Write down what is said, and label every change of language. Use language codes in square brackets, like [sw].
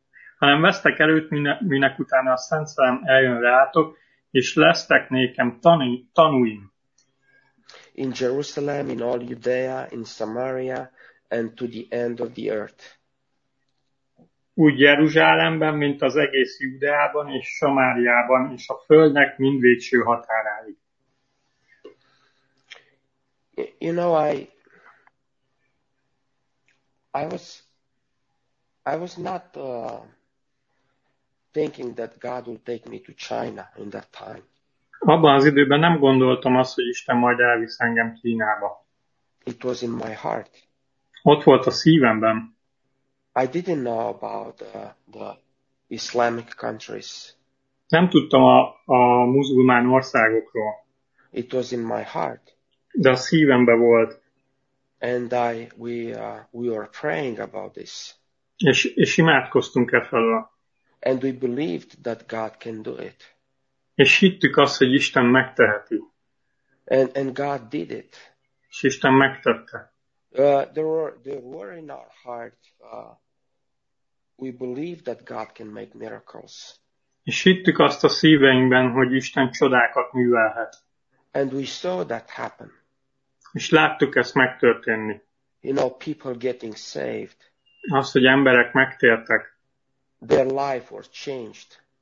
[hu] hanem vesztek előtt, minek utána a Szent Szellem eljön rátok, és lesztek nékem tanúim. [en] In Jerusalem, in all Judea, in Samaria, and to the end of the earth. [hu] Úgy Jeruzsálemben, mint az egész Judeában és Samáriában, és a földnek mind végső határáig. [en] You know, I was not thinking that God would take me to China in that time. [hu] Abban az időben nem gondoltam azt, hogy Isten majd elvisz engem Kínába. [en] It was in my heart. [hu] Ott volt a szívemben. [en] I didn't know about the Islamic countries. [hu] Nem tudtam a muzulmán országokról. [en] It was in my heart. [hu] De a szívemben volt. [en] And we were praying about this. [hu] És imádkoztunk e felől. [en] And we believed that God can do it. [hu] És hittük azt, hogy Isten megteheti. [en] And God did it. [hu] És Isten megtette. [en] There were in our heart, we believed that God can make miracles. [hu] És hittük azt a szíveinkben, hogy Isten csodákat művelhet. [en] And we saw that happen. [hu] És láttuk ezt megtörténni. [en] You know, people getting saved. [hu] Azt, hogy emberek megtértek. [en] Their life was changed.